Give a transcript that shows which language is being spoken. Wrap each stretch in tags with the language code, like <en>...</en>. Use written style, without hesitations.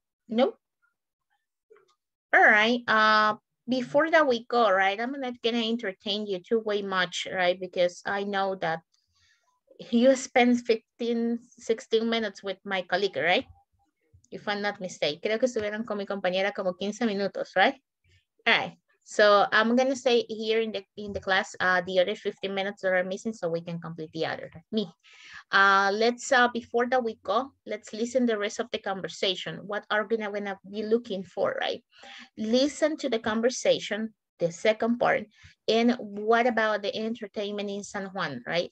<en>No? All right. Before that we go, right, I'm not going to entertain you too way much, right, because I know that you spend 15, 16 minutes with my colleague, right? If I'm not mistaken.</en> <es>Creo que estuvieron con mi compañera como 15 minutos, right?</es> <en>All right. So I'm going to stay here in the class the other 15 minutes that are missing so we can complete the other, me. Before that we go, let's listen the rest of the conversation. What are we going to be looking for, right? Listen to the conversation, the second part, and what about the entertainment in San Juan, right?</en>